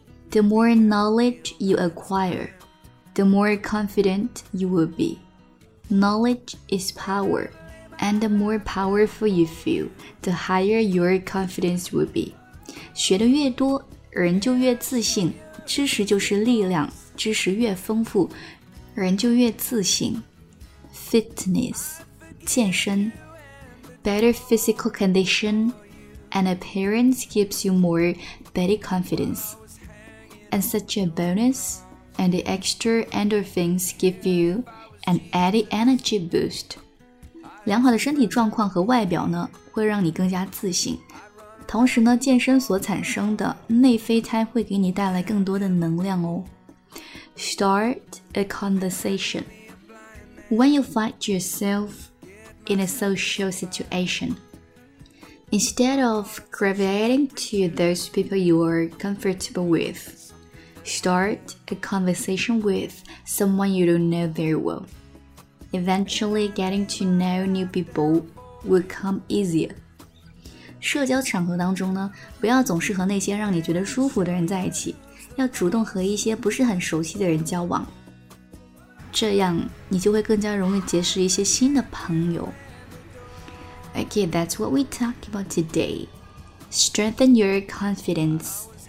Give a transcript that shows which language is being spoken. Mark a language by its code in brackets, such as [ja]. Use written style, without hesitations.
[en] The more knowledge you acquire, the more confident you will be. Knowledge is power, and the more powerful you feel, the higher your confidence will be. [zh] 学得越多，人就越自信。知识就是力量，知识越丰富，人就越自信。 [en] Fitness， 健身。 Better physical condition and appearance gives you more body confidence. And such a bonus, and the extra endorphins give you an added energy boost. [zh] 良好的身体状况和外表呢，会让你更加自信。同时呢，健身所产生的内啡肽会给你带来更多的能量哦。 [en] Start a conversation. When you find yourself in a social situation, instead of gravitating to those people you are comfortable with,Start a conversation with someone you don't know very well. Eventually, getting to know new people will come easier. [zh] 社交场合当中呢，不要总是和那些让你觉得舒服的人在一起，要主动和一些不是很熟悉的人交往。这样你就会更加容易结识一些新的朋友。 [en] Okay, that's what we talk about today. Strengthen your confidence.